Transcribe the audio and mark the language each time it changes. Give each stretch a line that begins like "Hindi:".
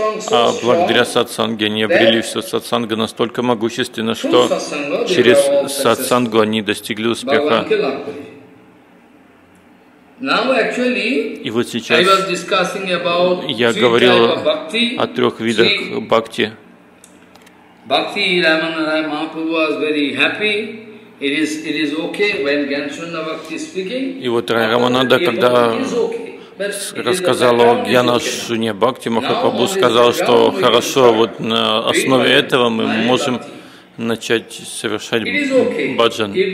Russian: А благодаря сатсанге они обрели все. Сатсанга настолько могущественна, что через сатсангу они достигли успеха. И вот сейчас я говорил о трех видах бхакти.
English: Бхакти Рамана Рай Махапрабху was very happy. It is okay when Gyanachandra Bhakti is speaking.
Russian: И вот Рай Раманада, когда рассказал о Гьянашуне Бхакти, Махапрабху сказал, что хорошо, вот на основе этого мы можем начать совершать баджан.